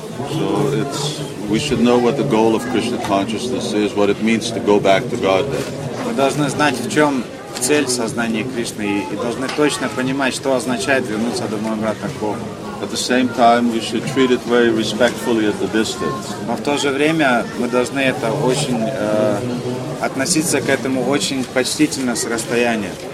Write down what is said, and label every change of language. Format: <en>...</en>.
<en>So it's we should know what the goal of Krishna consciousness is, what it means to go back to Godhead.</en> <ru>Мы должны знать, в чем цель сознания Кришны, и должны точно понимать, что означает вернуться домой обратно к Богу.</ru> <en>At the same time, we should treat it very respectfully at the distance.</en> <ru>Но в то же время мы должны это очень относиться к этому очень почтительно с расстояния.</ru>